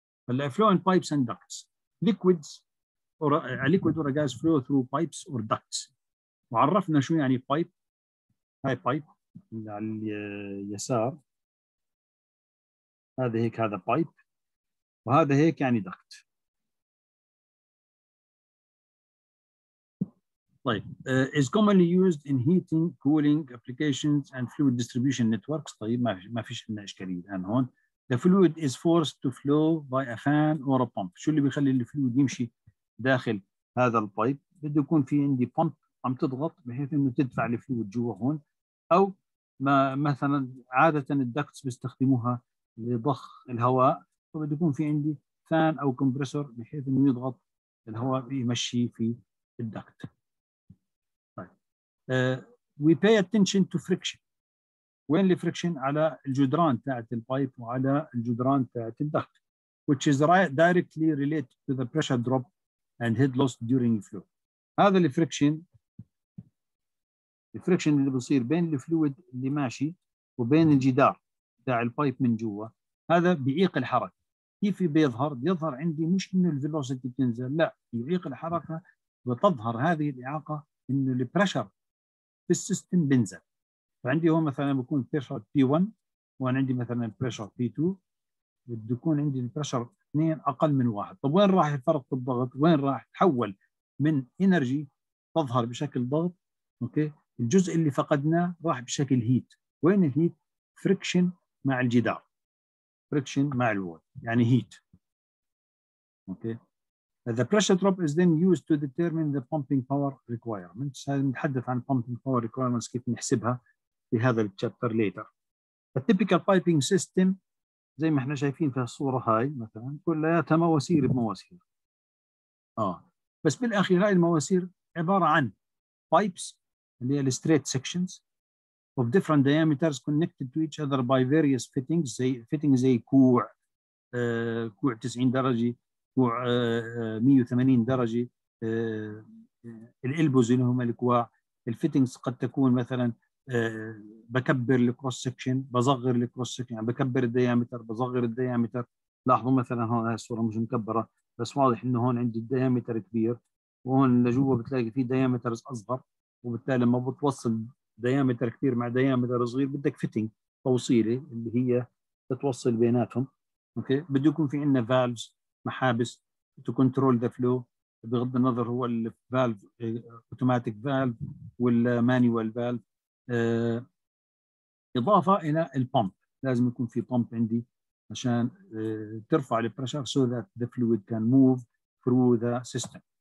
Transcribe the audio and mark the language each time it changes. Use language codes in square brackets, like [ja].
[en] هلا flow and pipes and ducts liquids or liquid or غاز flow through pipes or ducts. [ar] وعرفنا شو يعني بايب، هاي بايب على اليسار هذا هيك هذا بايب، وهذا هيك يعني دكت. [en] طيب is commonly used in heating, cooling applications and fluid distribution networks. [ar] طيب ما فيش لنا إشكالية الآن هون. [en] The fluid is forced to flow by a fan or a pump. [ar] شو اللي بيخلي الفلويد يمشي داخل هذا البايب؟ بده يكون في عندي pump عم تضغط بحيث إنه تدفع الفلويد جوا هون، أو ما مثلا عادة الدكتس بيستخدموها لضخ الهواء، فبده يكون في عندي فان او كومبريسور بحيث انه يضغط الهواء يمشي في الدكت. [en] طيب we pay attention to friction. [ar] وين الفريكشن؟ على الجدران تاعت البايب وعلى الجدران تاعت الدكت، [en] which is directly related to the pressure drop and head loss during flow. [ar] هذا الفريكشن، الفريكشن اللي بصير بين الفلويد اللي ماشي وبين الجدار تاع البايب من جوا، هذا بيعيق الحركه. كيف بيظهر؟ بيظهر عندي مش انه الفيلوسيتي بتنزل، لا، يعيق الحركه، وتظهر هذه الاعاقه انه البريشر في السيستم بينزل. فعندي هو مثلا بكون بريشر بي 1 وانا عندي مثلا بريشر بي 2، بده يكون عندي البريشر 2 اقل من 1. طب وين راح الفرق في الضغط؟ وين راح تحول من انرجي تظهر بشكل ضغط اوكي، الجزء اللي فقدناه راح بشكل هيت. وين الهيت؟ فريكشن مع الجدار، friction مع الوول، يعني heat. [en] Okay. The pressure drop is then used to determine the pumping power requirements. [ar] نتحدث عن [en] pumping power requirements [ar] كيف نحسبها في هذا الشابتر later. [en] A typical piping system [ar] زي ما احنا شايفين في الصورة هاي مثلا كلياتها مواسير بمواسير. بس بالاخير هاي المواسير عبارة عن [en] pipes [ar] اللي هي [en] straight sections of different diameters connected to each other by various fittings. [ar] زي fitting زي كوع، كوع 90 درجة، كوع 180 درجة، الالبوز اللي هم الكوع. الفيتنجز قد تكون مثلا بكبر الكروس سكشن، بصغر الكروس سكشن، يعني بكبر الديامتر بصغر الديامتر. لاحظوا مثلا هون هاي الصورة مش مكبرة، بس واضح انه هون عندي الديامتر كبير، وهون لجوه بتلاقي في ديامترز اصغر، وبالتالي لما بتوصل ديامتر كبير مع ديامتر صغير بدك فيتنج توصيله اللي هي تتوصل بيناتهم اوكي. بده يكون في عندنا فالفز محابس [en] to control the flow, [ar] بغض النظر هو الفالف اوتوماتيك فالف ولا مانيوال فالف. اضافه الى البمب، لازم يكون في بومب عندي عشان ترفع البريشر [en] so that the fluid can move through the system.